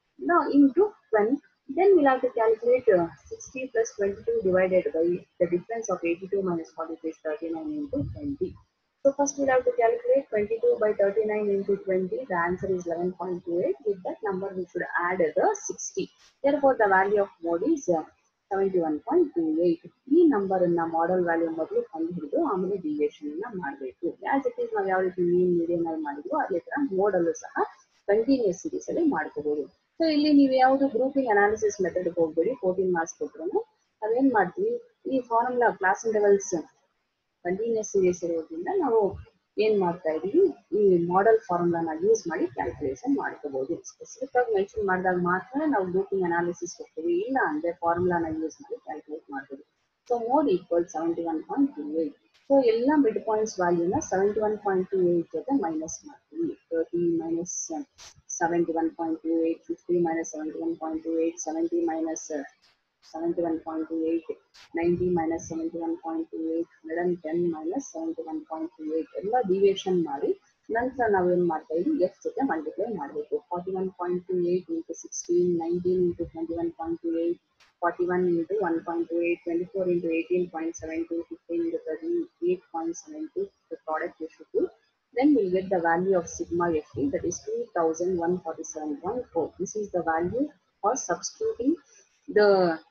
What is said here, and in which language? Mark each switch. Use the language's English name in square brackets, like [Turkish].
[English] Now into 1, then we'll have to calculate 60 plus 22 divided by the difference of 82 minus 43 is 39 into 20. So first we'll have to calculate 22 by 39 into 20. The answer is 11.28. With that number, we should add the 60. Therefore, the value of mode is 71.28. [Kannada] ಈ number ಅನ್ನ model value ಮೊದಲು ಕಂಡುಹಿಡಿದು ಆಮೇಲೆ deviation ಅನ್ನ ಮಾಡಬೇಕು. [English] as it is [Kannada] ನಾವು ಯಾವ ರೀತಿ ಮೀನ್ ಮೀಡಿಯನ್ ಅಲ್ಲಿ ಮಾಡಿದ್ವು ಅದೇ ತರ ಮೋಡ್ ಅಲ್ಲೂ ಸಹ ಕಂಟಿನ್ಯೂಸ್ ಸೀರೀಸ್ ಅಲ್ಲಿ ಮಾಡ್ಕೋಬಹುದು. ಸೊ ಇಲ್ಲಿ ನೀವು ಯಾವುದು ಗ್ರೂಪಿಂಗ್ ಅನಾಲಿಸಿಸ್ ಮೆಥಡ್ ಹೋಗ್ಬೇಡಿ, 14 ಮಾರ್ಕ್ಸ್ ಕೊಟ್ಟರು. ಅದೇನ್ ಮಾಡ್ತೀವಿ, ಈ formula class intervals continuous series ಇರೋದ್ರಿಂದ ನಾವು ಏನ್ ಮಾಡ್ತಾ ಇದೀವಿ, ಈ ಮಾಡೆಲ್ ಫಾರ್ಮುಲಾನ ಯೂಸ್ ಮಾಡಿ ಕ್ಯಾಲ್ಕುಲೇಷನ್ ಮಾಡ್ಕೋಬಹುದು. ಸ್ಪೆಸಿಫಿಕ್ ಆಗಿ ಮೆನ್ಷನ್ ಮಾಡಿದಾಗ ಮಾತ್ರ ನಾವು ಗ್ರೂಪಿಂಗ್ ಅನಾಲಿಸಿಸ್ ಹೋಗ್ತೀವಿ, ಇಲ್ಲ ಅಂದ್ರೆ ಫಾರ್ಮುಲಾನ ಯೂಸ್ ಮಾಡಿ ಕ್ಯಾಲ್ಕುಲೇಟ್ ಮಾಡ್ಬೋದು. So mode equal 71.28. ಸೊ ಎಲ್ಲ ಮಿಡ್ ಪಾಯಿಂಟ್ಸ್ ವ್ಯಾಲ್ಯೂನ 71.28 ಜೊತೆ ಮೈನಸ್ ಮಾಡ್ತೀವಿ. [English] 30 minus 71.28, 50 minus 71.28, 70 minus 71.28, 90 minus 71.28, 110 minus 71.28, [Kannada] ಎಲ್ಲ ಡಿವಿಯೇಷನ್ ಮಾಡಿ ನಂತರ ನಾವೇನು ಮಾಡ್ತಾ ಇದ್ದೀವಿ, ಎಫ್ ಜೊತೆ ಮಲ್ಟಿಪ್ಲೈ ಮಾಡಬೇಕು. [English] 41.28 into 16, 19 into 21.28, 41 into 1.28, 24 into 18.72, 15 into 13, 8.72, the product we should do. Then we'll get the value of sigma FD, that is 2147.14. This is the value for substituting the